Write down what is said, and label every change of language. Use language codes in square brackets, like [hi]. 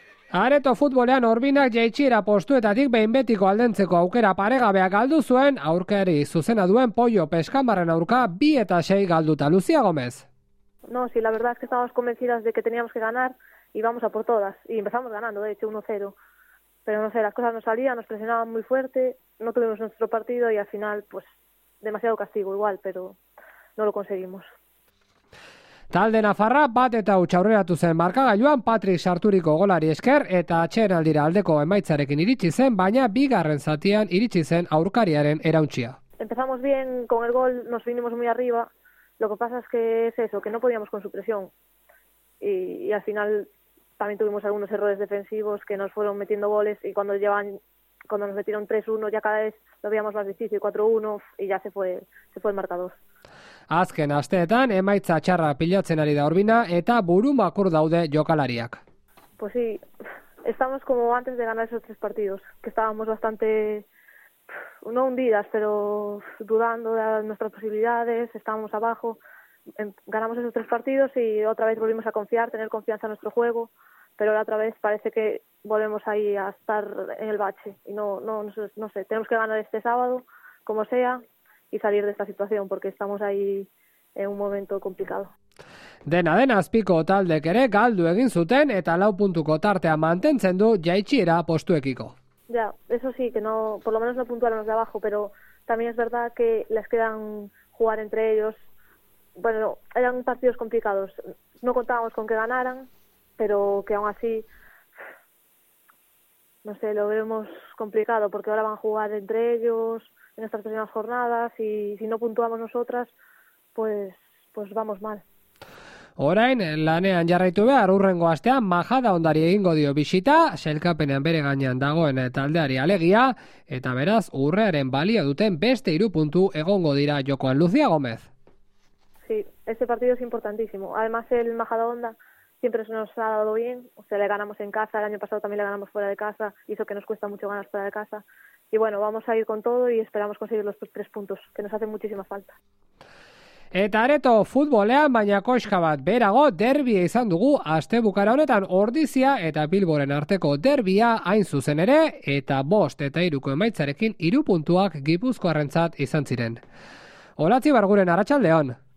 [eu] Areto futbolean Orbinak jaitsiera postuetatik behin betiko aldentzeko aukera paregabea galdu zuen, aurkari zuzena duen Pollo Peskamarren aurka 2-6 galduta. [es] Lucía Gómez. No, sí, la verdad es que estábamos convencidas de que teníamos que ganar y vamos a por todas. Y empezamos ganando, de hecho, 1-0. Pero no sé, las cosas no salían, nos presionaban muy fuerte, no tuvimos nuestro partido y al final, pues, demasiado castigo igual, pero no lo conseguimos. [eu] Talde Nafarra bat eta huts aurreratu zen markagailuan Patrick sarturiko golari esker eta atxeraldira aldeko emaitzarekin iritsi zen, baina bigarren zatian iritsi zen aurkariaren erauntzia. [es] Empezamos bien con el gol, nos vinimos muy arriba. Lo que pasa es que es eso, que no podíamos con su presión. Y al final también tuvimos algunos errores defensivos que nos fueron metiendo goles y cuando nos metieron 3-1 ya cada vez lo veíamos más difícil, 4-1 y ya se fue el marcador. [eu] Azken asteetan emaitza txarra pilatzen ari da Orbina eta buru makur daude jokalariak. [es] Pues sí, estamos como antes de ganar esos tres partidos, que estábamos bastante, no hundidas, pero dudando de nuestras posibilidades, estábamos abajo, ganamos esos tres partidos y otra vez volvimos a confiar, tener confianza en nuestro juego, pero la otra vez parece que volvemos ahí a estar en el bache y no sé, tenemos que ganar este sábado como sea y salir de esta situación porque estamos ahí en un momento complicado. [eu] Dena-dena azpiko taldek ere galdu egin zuten eta 4 puntuko tartea mantentzen du jaitsiera postuekiko. [es] Ya, eso sí, que no, por lo menos no puntuaron los de abajo, pero también es verdad que les quedan jugar entre ellos. Bueno, eran partidos complicados. No contábamos con que ganaran, pero que aún así, no sé, lo vemos complicado, porque ahora van a jugar entre ellos en estas próximas jornadas y si no puntuamos nosotras, pues vamos mal. [eu] Orain, lanean jarraitu behar, urrengo astean Majada Ondari egingo dio bisita, sailkapenean bere gainean dagoen taldeari alegia, eta beraz, urrearen balio duten beste hiru puntu egongo dira jokoan. [es] Lucía Gómez. Sí, este partido es importantísimo. Además, el Majada Onda siempre se nos ha dado bien. O sea, le ganamos en casa, el año pasado también le ganamos fuera de casa, y eso que nos cuesta mucho ganar fuera de casa. Y bueno, vamos a ir con todo y esperamos conseguir los tres puntos, que nos hacen muchísima falta. [eu] Eta areto futbolean baina koska bat berago derbia izan dugu aste bukara honetan Ordizia eta Bilboren arteko derbia hain zuzen ere eta 5 eta 3ko emaitzarekin 3 puntuak Gipuzkoarrentzat izan ziren. Olatzi Barguren Arratsaldeon.